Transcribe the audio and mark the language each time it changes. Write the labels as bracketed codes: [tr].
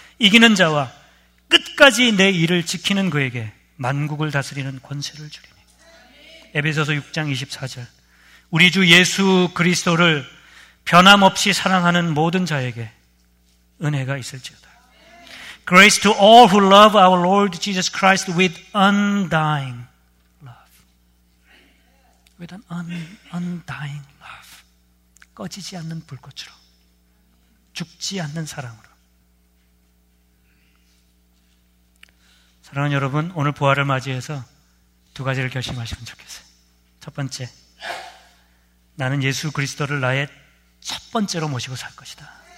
[ko] 이기는 자와 끝까지 내 일을 지키는 그에게 만국을 다스리는 권세를 주리니. 에베소서 6장 24절. 우리 주 예수 그리스도를 변함없이 사랑하는 모든 자에게 은혜가 있을지어다. [en] Grace to all who love our Lord Jesus Christ with undying with an undying love. [ko] 꺼지지 않는 불꽃으로, 죽지 않는 사랑으로. 사랑하는 여러분, 오늘 부활을 맞이해서 두 가지를 결심하시면 좋겠어요. 첫 번째, 나는 예수 그리스도를 나의 첫 번째로 모시고 살 것이다.